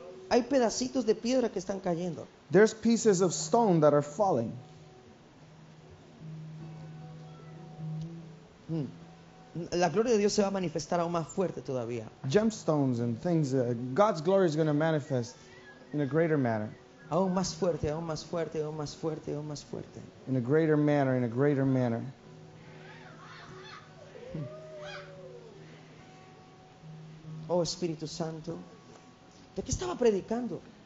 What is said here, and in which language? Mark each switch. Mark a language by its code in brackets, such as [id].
[es] Hay pedacitos de piedra que están cayendo. [en] There's pieces of stone that are falling. [es] La gloria de Dios se va a manifestar aún más fuerte todavía. [en] Gemstones and things, God's glory is going to manifest in a greater manner. [es] Aún más fuerte, aún más fuerte, aún más fuerte, aún más fuerte. [en] In a greater manner, in a greater manner. [es] Oh Espíritu Santo, ¿de qué estaba predicando?